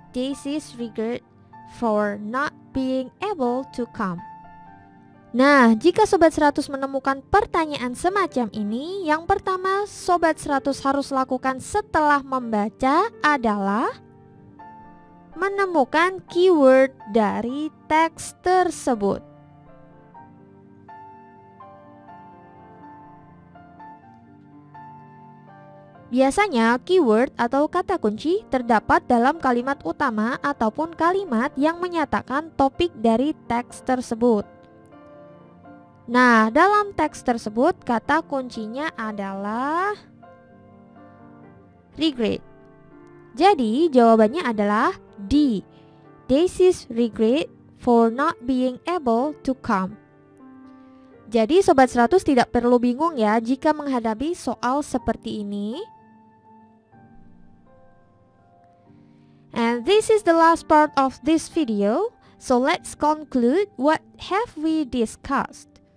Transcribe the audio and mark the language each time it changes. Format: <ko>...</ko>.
<en>Daisy's regret for not being able to come.</en> <id>Nah, jika Sobat 100 menemukan pertanyaan semacam ini, yang pertama Sobat 100 harus lakukan setelah membaca adalah menemukan keyword dari teks tersebut. Biasanya keyword atau kata kunci terdapat dalam kalimat utama ataupun kalimat yang menyatakan topik dari teks tersebut. Nah, dalam teks tersebut kata kuncinya adalah regret. Jadi jawabannya adalah D.</id> <en>Daisy's regret for not being able to come.</en> <id>Jadi Sobat 100 tidak perlu bingung ya jika menghadapi soal seperti ini.</id> <en>And this is the last part of this video. So let's conclude what have we discussed.</en>